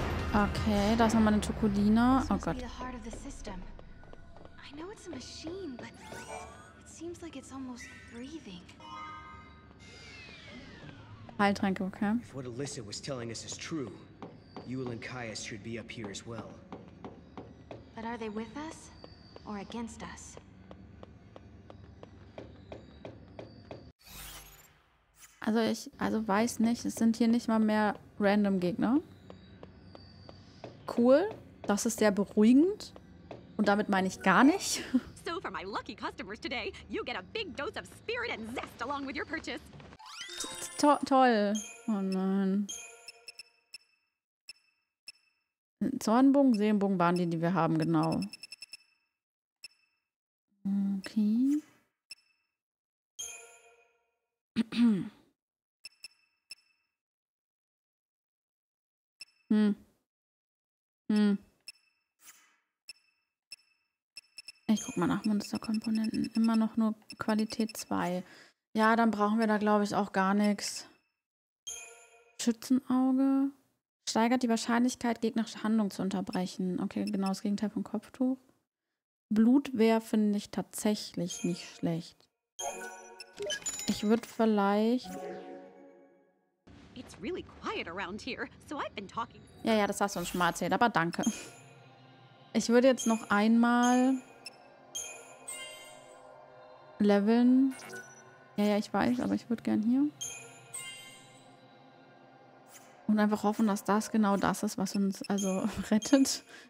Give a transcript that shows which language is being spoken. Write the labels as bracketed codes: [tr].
[de] Okay, da ist nochmal eine Tokolina. Oh Gott. Ich weiß, es ist eine Maschine, aber es scheint, als ob es fast breathing. Heiltränke, okay. [en] If what Alyssa was telling us is true, Yule and Caius should be up here as well. But are they with us or against us? [de] Also ich, also weiß nicht, es sind hier nicht mal mehr random Gegner. Cool, das ist sehr beruhigend. Und damit meine ich gar nicht. [en] So for my lucky customers today, you get a big dose of spirit and zest along with your purchase. [de] Toll. Oh nein. Zornbogen, Seelenbogen waren die, die wir haben, genau. Okay. Ich guck mal nach Monsterkomponenten. Immer noch nur Qualität 2. Ja, dann brauchen wir da, glaube ich, auch gar nichts. Schützenauge. Steigert die Wahrscheinlichkeit, gegnerische Handlung zu unterbrechen. Okay, genau das Gegenteil von Kopftuch. Blutwehr finde ich tatsächlich nicht schlecht. Ich würde vielleicht... [en] It's really quiet around here, so I've been talking. [de] Ja, ja, das hast du uns schon mal erzählt, aber danke. Ich würde jetzt noch einmal... leveln... Ja, ja, ich weiß, aber ich würde gern hier. Und einfach hoffen, dass das genau das ist, was uns also rettet.